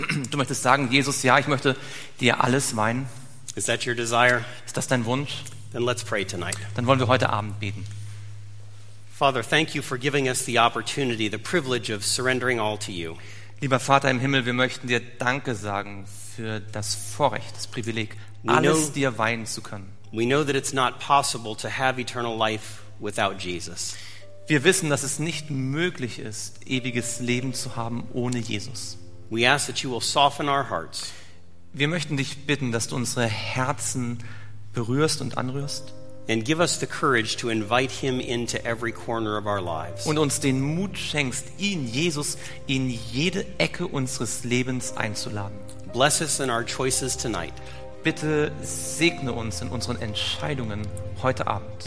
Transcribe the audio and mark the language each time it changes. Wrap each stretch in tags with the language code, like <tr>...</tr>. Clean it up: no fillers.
<de>Du möchtest sagen, Jesus, ja, ich möchte dir alles meinen.</de> <en>Is that your desire?</en> <de>Ist das dein Wunsch?</de> <en>Then let's pray tonight.</en> <de>Dann wollen wir heute Abend beten.</de> <en>Father, thank you for giving us the opportunity, the privilege of surrendering all to you.</en> <de>Lieber Vater im Himmel, wir möchten dir Danke sagen für das Vorrecht, das Privileg, alles dir weihen zu können.</de> <en>We know that it's not possible to have eternal life without Jesus.</en> <de>Wir wissen, dass es nicht möglich ist, ewiges Leben zu haben ohne Jesus.</de> <en>We ask that you will soften our hearts.</en> <de>Wir möchten dich bitten, dass du unsere Herzen berührst und anrührst.</de> <en>And give us the courage to invite him into every corner of our lives.</en> <de>Und uns den Mut schenkst, ihn, Jesus, in jede Ecke unseres Lebens einzuladen.</de> <en>Bless us in our choices tonight.</en> <de>Bitte segne uns in unseren Entscheidungen heute Abend.</de>